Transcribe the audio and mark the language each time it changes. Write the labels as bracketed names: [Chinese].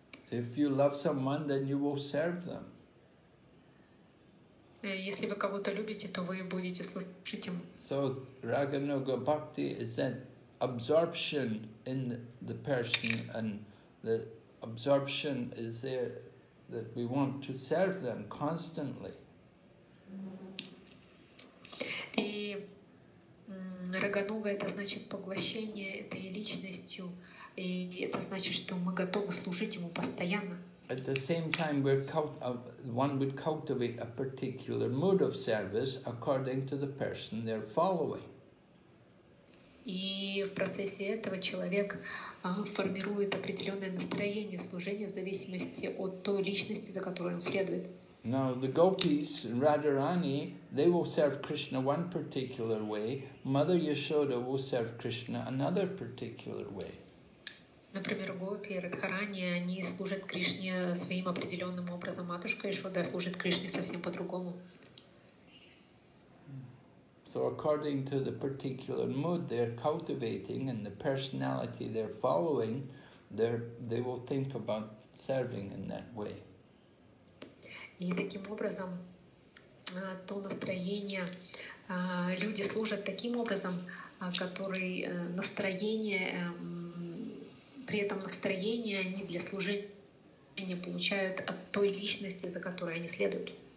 [English] If you love someone, then you will serve them. [Russian] Если вы кого-то любите, то вы будете служить ему. [English] So Raganuga Bhakti is that absorption in the person, and the absorption is there that we want to serve them constantly. [Russian] И Рагануга — это значит поглощение этой личностью, и это значит, что мы готовы служить ему постоянно. [English] At the same time, one would cultivate a particular mood of service according to the person they're following. [Russian] И в процессе этого человек формирует определенное настроение служения в зависимости от той личности, за которой он следует. [English] Now the gopis, Radharani, they will serve Krishna one particular way. Mother Yashoda will serve Krishna another particular way. [Russian] Например, гопи и Радхарани, они служат Кришне своим определенным образом. Матушка Ишода служит Кришне совсем по-другому. [English] So according to the particular mood they're cultivating and the personality they're following, they will think about serving in that way. [Russian] И таким образом, то настроение, люди служат таким образом, который настроение, при этом настроение они для служения они получают от той личности, за которой они следуют.